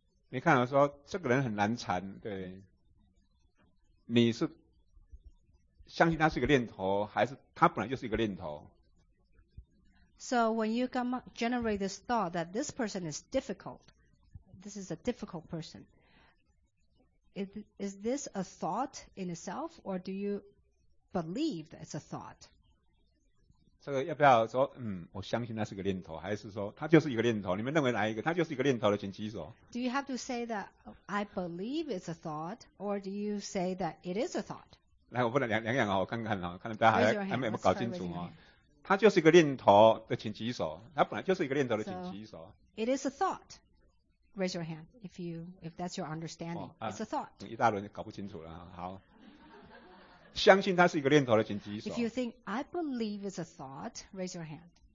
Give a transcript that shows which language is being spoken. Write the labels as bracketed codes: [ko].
[zh] 你看我说,这个人很难缠,对。你是相信它是一个念头,还是它本来就是一个念头? [en] So when you generate this thought that this person is difficult, this is a difficult person, Is this a thought in itself, or do you believe that it's a thought? [zh] 这个要不要说, 我相信它是个念头, 还是说它就是一个念头, 你们认为哪一个, 它就是一个念头的, 请举手。 [en] Do you have to say that I believe it's a thought, or do you say that it is a thought? [zh] 来, 我不能两样哦, 我看看哦, 看大家还没有搞清楚哦。它就是一个念头的, 请举手, 它本来就是一个念头的, 请举手。 [en] It is a thought. Raise your hand if that's your understanding. 哦, 啊, it's a thought. [zh] 一大轮搞不清楚了,好。相信它是一个念头的,请举手。 [en] If you think, I believe it's a thought, raise your hand.